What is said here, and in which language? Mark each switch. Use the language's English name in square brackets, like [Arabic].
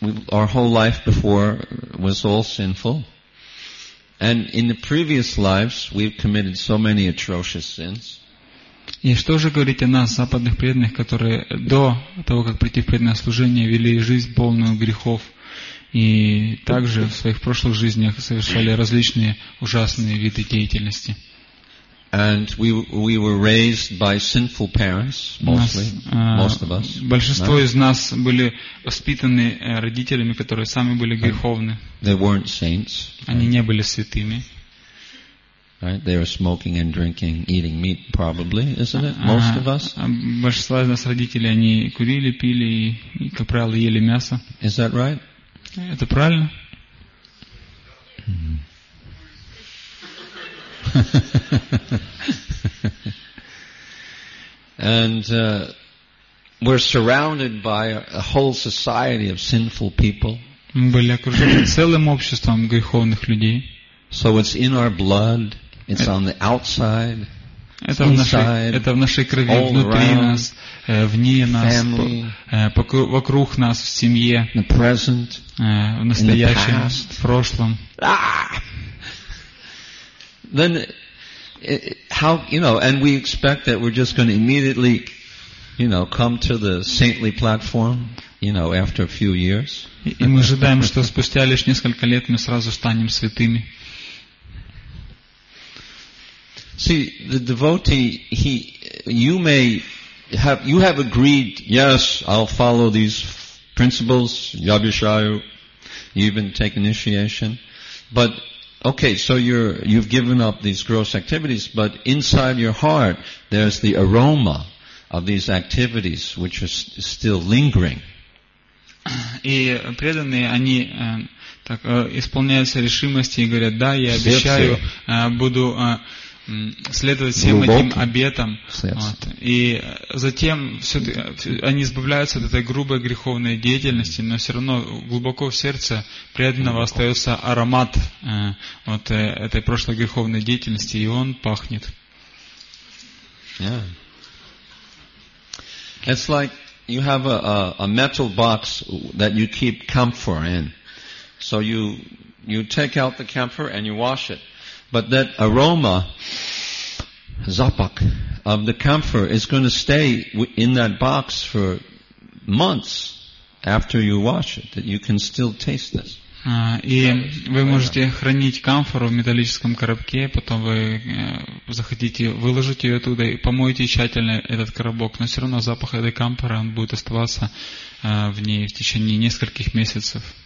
[English] Our whole life before was all sinful. And in the previous lives, we've committed so many atrocious sins. [Russian] И что же говорить о нас, западных преданных, которые до того, как прийти в преданное служение, вели жизнь полную грехов и также в своих прошлых жизнях совершали различные ужасные виды деятельности. [English] And we were raised by sinful parents, mostly, most of us. [Russian] Большинство из нас были воспитаны родителями, которые сами были греховны. [English] They weren't saints. [Russian] Они не были святыми. [English] Right? They were smoking and drinking, eating meat, probably, isn't it? Most of us. [Russian] Большинство из нас родители, они курили, пили и, как правило, ели мясо. [English] Is that right? [Russian] Это правильно? [English] And we're surrounded by a whole society of sinful people. [Russian] Мы были окружены целым обществом греховных людей. [English] So it's in our blood. It's on the outside. [Russian] Это в нашей крови, внутри нас, вне нас, вокруг нас, в семье, [English] the present, [Russian] в настоящем, [English] in the past. [Russian] В прошлом. [English] Then how, you know, and we expect that we're just going to immediately, you know, come to the saintly platform, you know, after a few years. [Russian] И мы ожидаем, что спустя лишь несколько лет мы сразу станем святыми. [English] See, the devotee, you have agreed, yes, I'll follow these principles, yabhishayu, you even take initiation, but okay, so you've given up these gross activities, but inside your heart, there's the aroma of these activities, which is still lingering. [Russian] И преданные, они так исполняются решимости и говорят, да, я обещаю, буду следовать всем этим обетам. Вот. И затем они избавляются от этой грубой греховной деятельности, но все равно глубоко в сердце преданного остается аромат вот этой прошлой греховной деятельности, и он пахнет. [English] Yeah. It's like you have a metal box that you keep camphor in. So you take out the camphor and you wash it. But that aroma, zapak, of the camphor is going to stay in that box for months after you wash it. That you can still taste this. [Russian] И вы можете хранить камфору в металлическом коробке, потом вы захотите выложить ее оттуда и помоете тщательно этот коробок, но все равно запах этой камфоры, он будет оставаться в ней в течение нескольких месяцев.